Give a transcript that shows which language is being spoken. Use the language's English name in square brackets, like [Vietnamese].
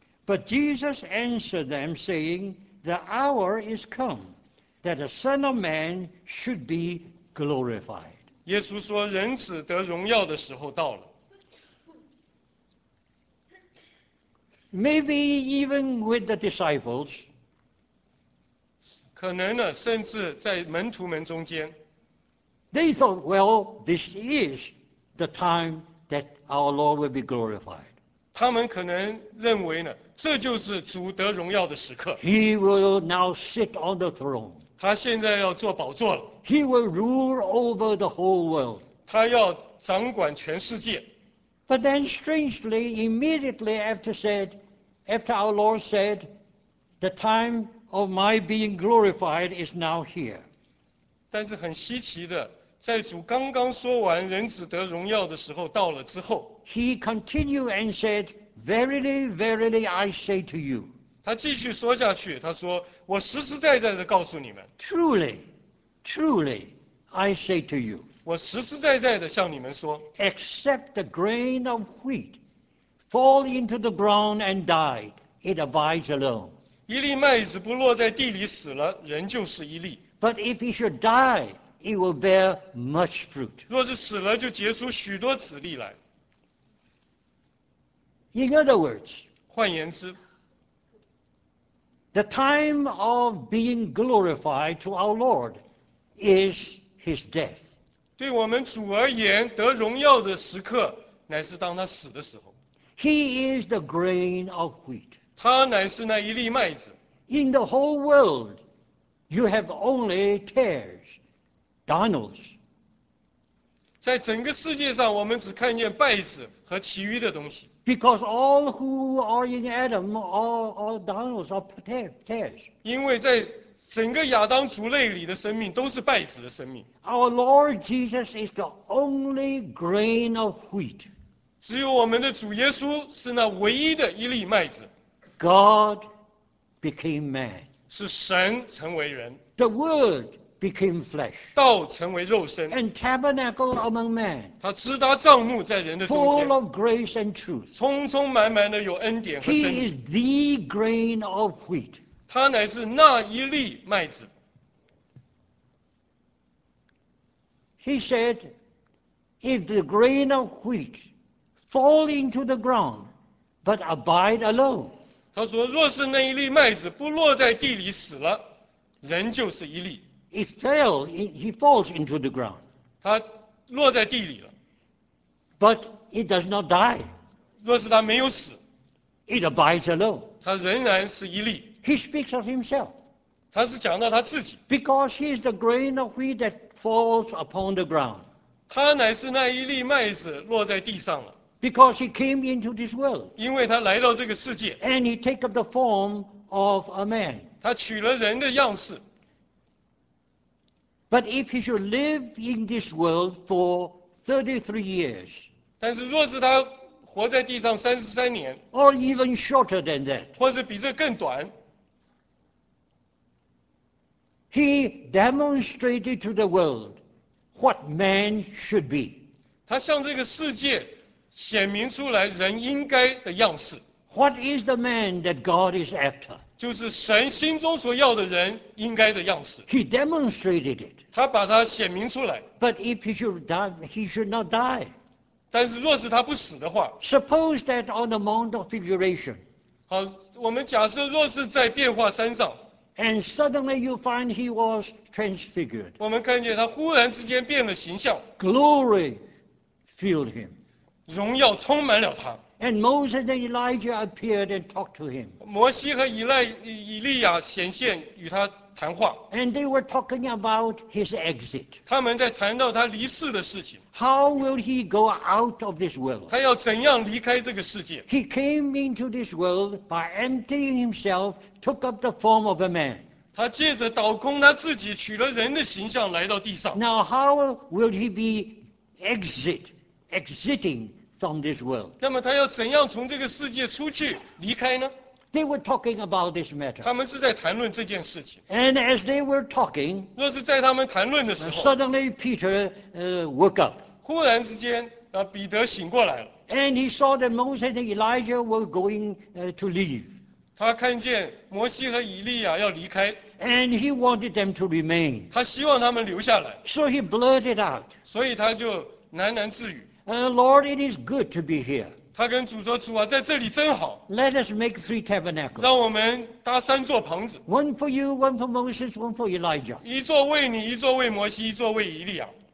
[English] But Jesus answered them, saying, "The hour is come that the Son of Man should be glorified." [Chinese] 耶稣说，人子得荣耀的时候到了。 [English] Maybe even with the disciples. [Chinese] 可能呢，甚至在门徒们中间。 [English] They thought, well, this is the time that our Lord will be glorified. [Chinese] 他们可能认为呢，这就是主得荣耀的时刻。 [English] He will now sit on the throne. [Chinese] 他现在要坐宝座了。 [English] He will rule over the whole world. [Chinese] 他要掌管全世界。 [English] But then, strangely, immediately after our Lord said, "The time of my being glorified is now here." [Chinese] 但是很稀奇的。在主刚刚说完人子得荣耀的时候到了之后 [English] He continued and said, "Verily, verily, I say to you." [Chinese] 他继续说下去，他说，我实实在在地告诉你们。 [English] Truly, truly, I say to you. [Chinese] 我实实在在地向你们说。 [English] Except the grain of wheat fall into the ground and die, it abides alone. [Chinese] 一粒麦子不落在地里死了，仍旧是一粒。 [English] But if he should die,It will bear much fruit. [Chinese] 若是死了，就结出许多子粒来。 [English] In other words, [Chinese] 换言之 [English] the time of being glorified to our Lord is His death. [Chinese] 对我们主而言，得荣耀的时刻乃是当他死的时候。 [English] He is the grain of wheat. [Chinese] 他乃是那一粒麦子。 [English] In the whole world, you have only tares. Donald's. [Chinese] 在整个世界上，我们只看见败子和其余的东西。 [English] Because all who are in Adam are Donald's are tares. [Chinese] 因为在整个亚当族类里的生命都是败子的生命。 [English] Our Lord Jesus is the only grain of wheat. [Chinese] 只有我们的主耶稣是那唯一的一粒麦子。 [English] God became man. [Chinese] 是神成为人。 [English] The Word. Became flesh, [Chinese] 道成为肉身 [English] and tabernacle among men. [Chinese] 他直达帐幕在人的中间 [English] full of grace and truth. [Chinese] 充充满满的有恩典和真理 [English] He is the grain of wheat. [Chinese] 他乃是那一粒麦子 [English] He said, "If the grain of wheat fall into the ground, but abide alone." [Chinese] 他说，若是那一粒麦子不落在地里死了，仍旧是一粒。 [English] It fell. He falls into the ground. [Chinese] 他落在地里了。 [English] But it does not die. [Chinese] 若是他没有死。 [English] It abides alone. [Chinese] 他仍然是一粒。 [English] He speaks of himself. [Chinese] 他是讲到他自己。 [English] Because he is the grain of wheat that falls upon the ground. [Chinese] 他乃是那一粒麦子落在地上了。 [English] Because he came into this world. [Chinese] 因为他来到这个世界。 [English] And he take up the form of a man. [Chinese] 他取了人的样式。 [English] But if he should live in this world for 33 years, [Chinese] 但是若是他活在地上33年 [English] or even shorter than that, [Chinese] 或者比这更短 [English] he demonstrated to the world what man should be. [Chinese] 他向这个世界显明出来人应该的样式 [English] What is the man that God is after? [Chinese] 就是神心中所要的人应该的样式 [English] He demonstrated it. [Chinese] 他把它显明出来。 [English] But if he should die, he should not die. [Chinese] 但是若是他不死的话。 [English] Suppose that on the Mount of Figuration. [Chinese] 好，我们假设若是在变化山上。 [English] And suddenly you find he was transfigured. [Chinese] 我们看见他忽然之间变了形象。 [English] Glory filled him. [Chinese] 荣耀充满了他。 [English] And Moses and Elijah appeared and talked to him. [Chinese] 摩西和以利亚显现与他。谈话 [English] And they were talking about his exit. [Chinese] 他们在谈到他离世的事情。 [English] How will he go out of this world? [Chinese] 他要怎样离开这个世界 [English] ？He came into this world by emptying himself, took up the form of a man. [Chinese] 他借着倒空他自己，取了人的形象来到地上。 [English] Now how will he be exiting from this world? [Chinese] 那么他要怎样从这个世界出去离开呢？ [English] They were talking about this matter. [Chinese] 他们是在谈论这件事情。 [English] And as they were talking, [Chinese] 若是在他们谈论的时候 [English] suddenly Peter woke up. [Chinese] 忽然之间，彼得醒过来了。 [English] And he saw that Moses and Elijah were going to leave. [Chinese] 他看见摩西和以利亚要离开。 [English] And he wanted them to remain. [Chinese] 他希望他们留下来。 [English] So he blurted out. [Chinese] 所以他就喃喃自语。 [English] Lord, it is good to be here. [Chinese] 他跟主说：“主啊，在这里真好。” [English] Let us make three tabernacles. [Chinese] 让我们搭三座棚子。 [English] One for you, one for Moses, one for Elijah. [Chinese] 一座为你，一座为摩西，一座为以利亚。